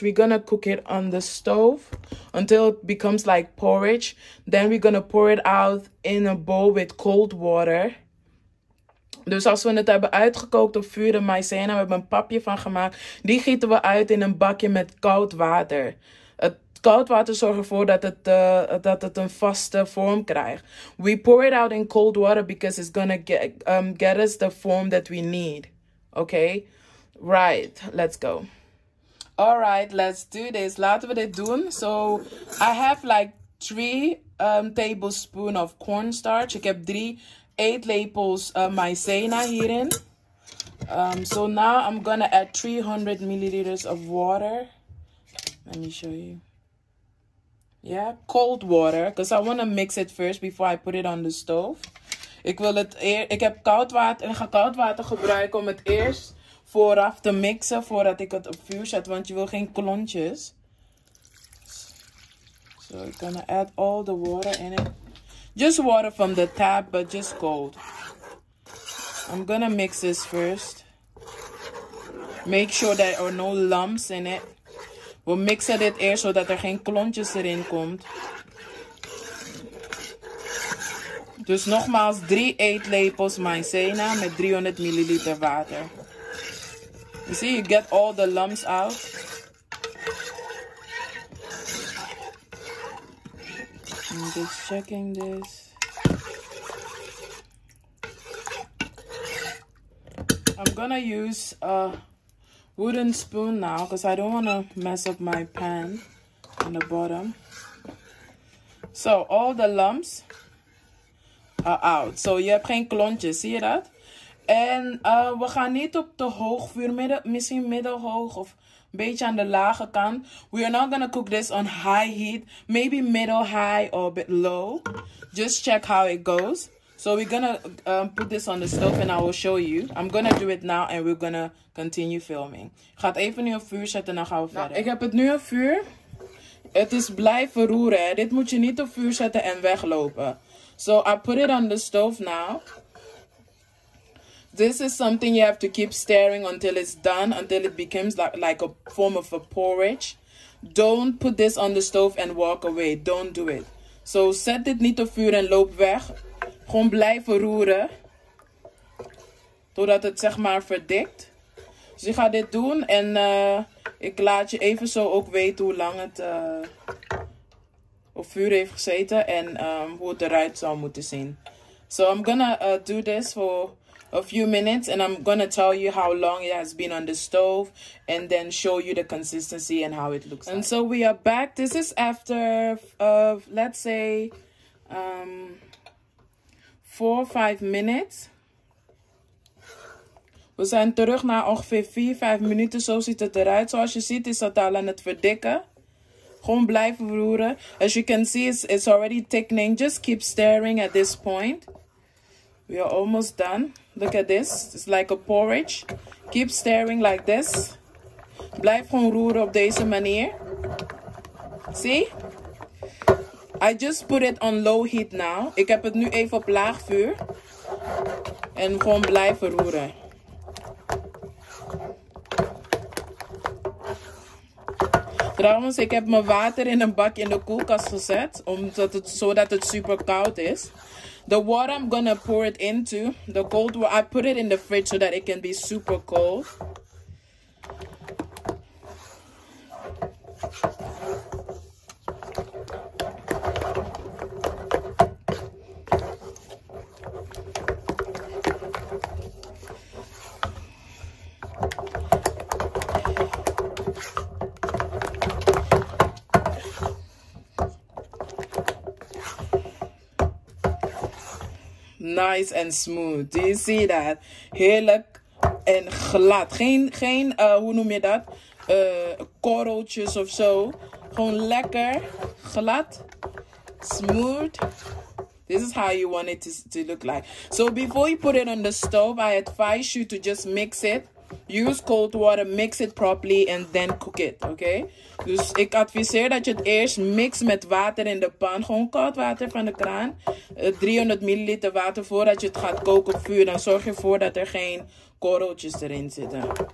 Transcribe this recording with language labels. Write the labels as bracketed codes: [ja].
[en] We're gonna cook it on the stove until it becomes like porridge. Then we're gonna pour it out in a bowl with cold water. [nl] Dus als we het hebben uitgekookt op vuur, de maïzena, we hebben een papje van gemaakt. Die gieten we uit in een bakje met koud water. Het koud water zorgt ervoor dat het een vaste vorm krijgt. [en] We pour it out in cold water because it's gonna get us the form that we need. Okay? Right, let's go. Alright, let's do this. [nl] Laten we dit doen. [en] So, I have like 3 tablespoons of cornstarch. [nl] Ik heb 3 eetlepels maïzena hierin. [en] So now I'm gonna add 300 milliliters of water. Let me show you. Yeah, cold water. Because I want to mix it first before I put it on the stove. [nl] Ik heb koud water. En ik ga koud water gebruiken om het eerst vooraf te mixen voordat ik het op vuur zet, want je wil geen klontjes. [en] So I'm gonna add all the water in it. Just water from the tap, but just cold. I'm gonna mix this first. Make sure there are no lumps in it. [nl] We mixen dit eerst zodat er geen klontjes erin komt. Dus nogmaals 3 eetlepels maïzena met 300 ml water. [en] You see, you get all the lumps out. I'm just checking this. I'm gonna use a wooden spoon now because I don't want to mess up my pan on the bottom. So all the lumps are out. So you have [nl] geen klontjes, [en] see that? [nl] En we gaan niet op te hoog vuur, misschien middelhoog of een beetje aan de lage kant. [en] We are not gonna cook this on high heat. Maybe middle high or a bit low. Just check how it goes. So we're gonna put this on the stove and I will show you. I'm gonna do it now and we're gonna continue filming. [nl] Ik ga het even nu op vuur zetten en dan gaan we verder. Nou, ik heb het nu op vuur. Het is blijven roeren. Hè? Dit moet je niet op vuur zetten en weglopen. [en] So I put it on the stove now. This is something you have to keep stirring until it's done, until it becomes like a form of a porridge. Don't put this on the stove and walk away. Don't do it. [nl] So set dit niet op vuur en loop weg. Gewoon blijven roeren. Totdat het zeg maar verdikt. Dus ik ga dit doen en ik laat je even zo ook weten hoe lang het op vuur heeft gezeten. En hoe het eruit zou moeten zien. [en] So I'm gonna do this for a few minutes and I'm gonna tell you how long it has been on the stove and then show you the consistency and how it looks. And like, so we are back. This is after let's say 4 or 5 minutes. [nl] We zijn terug na ongeveer 4-5 minuten. Zo ziet het eruit. Zoals je ziet is dat al aan het verdikken. Gewoon blijven roeren. [en] As you can see, it's already thickening. Just keep stirring at this point. We are almost done. Look at this. It's like a porridge. Keep stirring like this. [nl] Blijf gewoon roeren op deze manier. See? [en] I just put it on low heat now. [nl] Ik heb het nu even op laag vuur. En gewoon blijven roeren. Trouwens, ik heb mijn water in een bakje in de koelkast gezet. Omdat het, zodat het super koud is. [en] The water I'm gonna pour it into, the cold water, I put it in the fridge so that it can be super cold. Nice and smooth. Do you see that? [nl] Heerlijk en glad. Geen, hoe noem je dat? Korreltjes of zo. Gewoon lekker, glad, smooth. [en] This is how you want it to look like. So before you put it on the stove, I advise you to just mix it. Use cold water, mix it properly and then cook it, okay? [nl] Dus ik adviseer dat je het eerst mixt met water in de pan. Gewoon koud water van de kraan. 300 ml water voordat je het gaat koken op vuur. Dan zorg je ervoor dat er geen korreltjes erin zitten.